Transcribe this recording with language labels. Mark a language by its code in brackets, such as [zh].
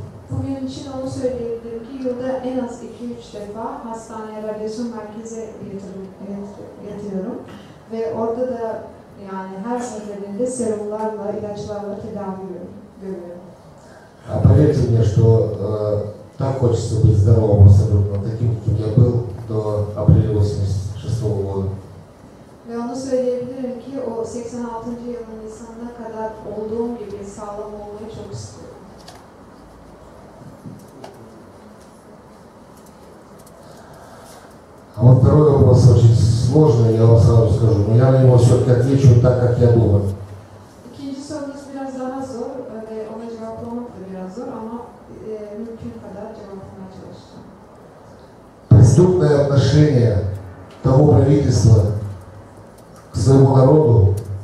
[tr] Bugün için onu söyleyebilirim ki yılda en az 2-3 defa hastaneye radyasyon merkeze yatıyorum ve orada da yani her [ru] Поверьте мне, что так хочется быть здоровым абсолютно таким, каким я был до апреля 86 года. [tr] Ve onu söyleyebilirim ki o 86. yılın Nisan'ına kadar olduğum gibi sağlam olmayı çok istiyorum. [ru] А вот второй вопрос очень сложно, я вам сразу скажу, но я на него все-таки отвечу так, как я думаю. [tr] İkinci sorunuz biraz daha zor ve ona cevaplamak da biraz zor, ama mümkün kadar cevaplamaya çalışacağım. [ru] Преступное отношение того правительства к своему народу.